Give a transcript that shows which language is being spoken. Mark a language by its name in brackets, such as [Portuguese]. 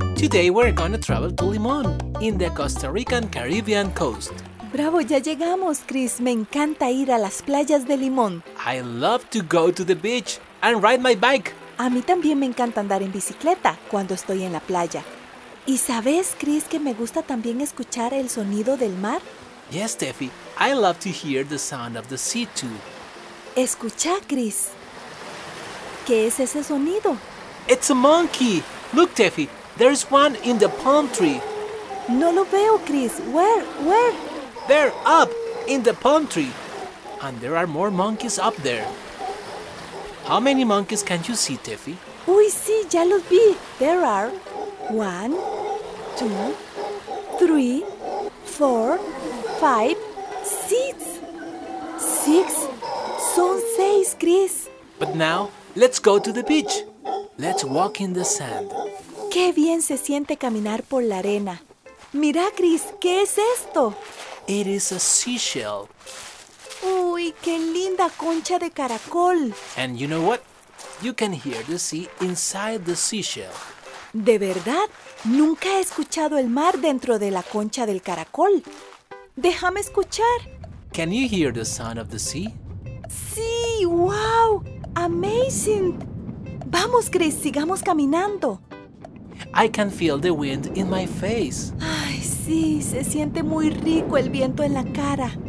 [English] Today we're going to travel to Limón in the Costa Rican Caribbean coast. [Spanish] Bravo, ya llegamos, Chris. Me encanta ir a las playas de Limón. [English] I love to go to the beach and ride my bike. [Spanish] A mí también me encanta andar en bicicleta cuando estoy en la playa. ¿Y sabes, Chris, que me gusta también escuchar el sonido del mar? [English] Yes, Steffi. I love to hear the sound of the sea, too. [Spanish] Escucha, Chris. ¿Qué es ese sonido? [English] It's a monkey. Look, Steffi. There's one in the palm tree. [Spanish] No lo veo, Chris. [English] Where? There, up, in the palm tree. And there are more monkeys up there. How many monkeys can you see, Steffi? [Spanish] Uy, sí, ya los vi. [English] There are 1, 2, 3, 4, 5, 6. 6? [Spanish] Son 6, Chris. [English] But now, let's go to the beach. Let's walk in the sand. [Spanish] ¡Qué bien se siente caminar por la arena! ¡Mira, Chris! ¿Qué es esto? [English] It is a seashell. [Spanish] ¡Uy! ¡Qué linda concha de caracol! [English] And you know what? You can hear the sea inside the seashell. [Spanish] ¿De verdad? Nunca he escuchado el mar dentro de la concha del caracol. ¡Déjame escuchar! [English] Can you hear the sound of the sea? [Spanish] ¡Sí! ¡Wow! ¡Amazing! ¡Vamos, Chris! ¡Sigamos caminando! [English] I can feel the wind in my face. [Spanish] Ay, sí, se siente muy rico el viento en la cara.